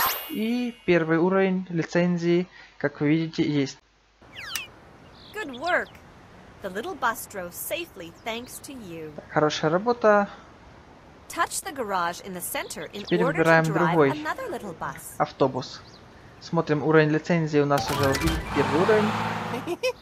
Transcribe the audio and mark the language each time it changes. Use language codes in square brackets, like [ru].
[ru] И первый уровень лицензии, как вы видите, есть. [en] Good work. The little bus drove safely, thanks to you. [ru] Хорошая работа. Теперь выбираем другой автобус. Смотрим уровень лицензии. У нас уже первый уровень.